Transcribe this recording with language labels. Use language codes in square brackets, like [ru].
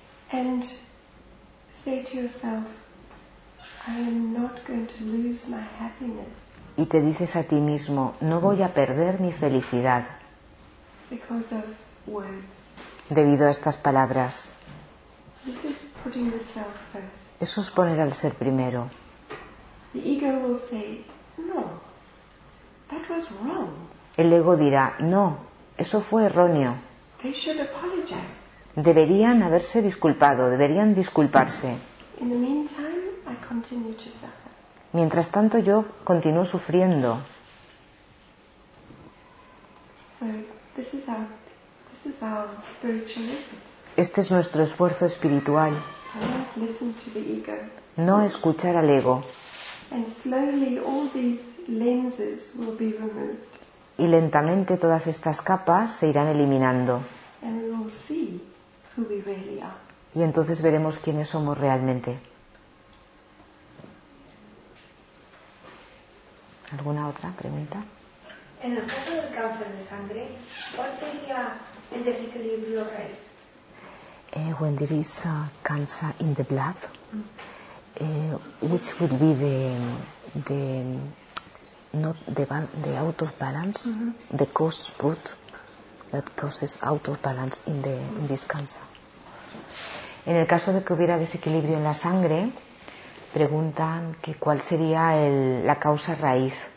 [en] And say to yourself, I am not going to lose my happiness. [es] Y te dices a ti mismo, no voy a perder mi felicidad. [en] Because of words. [es] Debido a estas palabras. [en] This is putting yourself first. [es] Eso es poner al ser primero. [en] The ego will say, no, that was wrong. [es] El ego dirá, no, eso fue erróneo. [en] They should apologize. [es] Deberían haberse disculpado, deberían disculparse. [en] In the meantime, I continue to suffer. [es] Mientras tanto, yo continúo sufriendo. [en] So, this is our spiritual effort. [es] Este es nuestro esfuerzo espiritual. [en] Listen to the ego. [es] No escuchar al ego. [en] And slowly all these lenses will be removed. [es] Y lentamente todas estas capas se irán eliminando. [en] And we will see. Really, [es] y entonces veremos quiénes somos realmente. ¿Alguna otra pregunta? En el caso del cáncer de sangre, ¿cuál sería el desequilibrio raíz? [en] When there is cancer in the blood, which would be the out of balance, mm-hmm. the cause root that causes out of balance in this cancer? [es] En el caso de que hubiera desequilibrio en la sangre, preguntan que cuál sería la causa raíz.